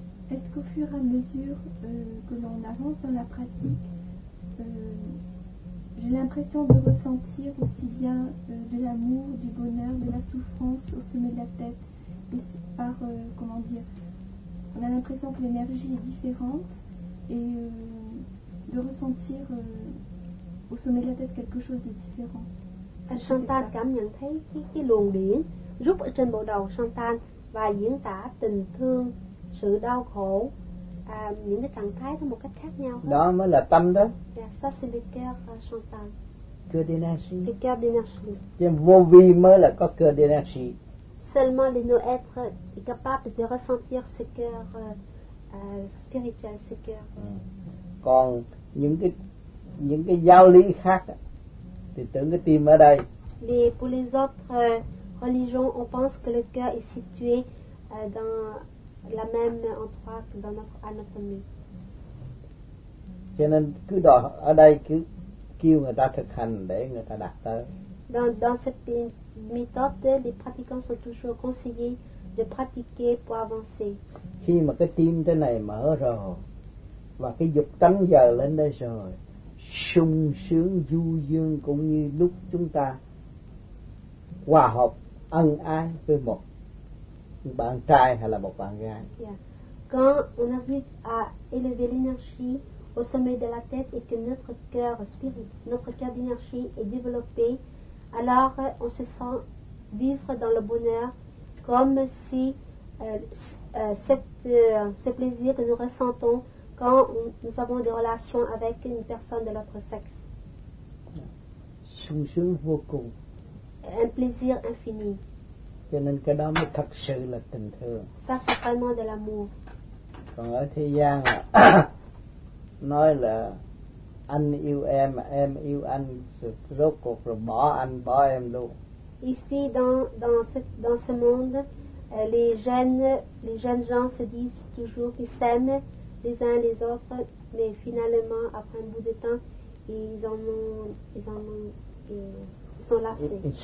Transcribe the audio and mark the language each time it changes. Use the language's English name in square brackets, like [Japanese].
[French] Est-ce qu'au fur et à mesure que l'on avance dans la pratique, j'ai l'impression de ressentir aussi bien de l'amour, du bonheur, de la souffrance au sommet de la tête, et par comment dire, on a l'impression que l'énergie est différente et de ressentir au sommet de la tête quelque chose de différent. [Vietnamese] Chantal cảm nhận thấy cái luồng điện rút ở trên bộ đầu Chantal và diễn tả tình thương, sự đau khổ, những cái trạng thái nó một cách khác nhau. Đó mới là tâm đó. [French] Yeah, ça c'est le cœur Chantal. Cœur d'énergie. Le cœur d'énergie. [Vietnamese] Chứ vô vi mới là có [French] cœur d'énergie. Seulement le no-être est capable de ressentir ce cœur spirituel, ce cœur. [Vietnamese] Còn những cái giáo lý khác thì tưởng cái tim ở đây. [French] Les, pour les autres religions, on pense que le cœur est situé dans la même endroit que dans notre anatomie. [Vietnamese] Cho nên cứ đòi ở đây cứ kêu người ta thực hành để người ta đạt tới. [French] Dans cette méthode, les pratiquants sont toujours conseillés de pratiquer pour avancer. [Vietnamese] Khi mà cái tim thế này mở rồi và cái dục tánh giờ lên đây rồi, sung sướng du dương cũng như lúc chúng ta hòa hợp ân ái với một bạn trai hay là một bạn gái. Yeah. [French] Quand on arrive à élever l'énergie au sommet de la tête et que notre cœur spirit, notre cœur d'énergie est développé, alors on se sent vivre dans le bonheur comme si ce plaisir que nous ressentons quand nous avons des relations avec une personne de notre sexe. [Vietnamese] Sung sướng vô cùng. [French] Un plaisir infini. [Vietnamese] Cho nên cái đó mới thật sự là tình thương. [French] Ça c'est vraiment de l'amour. [Vietnamese] Còn ở thế gian là nói là anh yêu em yêu anh, rốt cuộc rồi bỏ anh, bỏ em luôn. [French] Ici dans ce monde, les jeunes gens se disent toujours qu'ils s'aiment les uns les autres, mais finalement après un bout de temps ils sont lassés.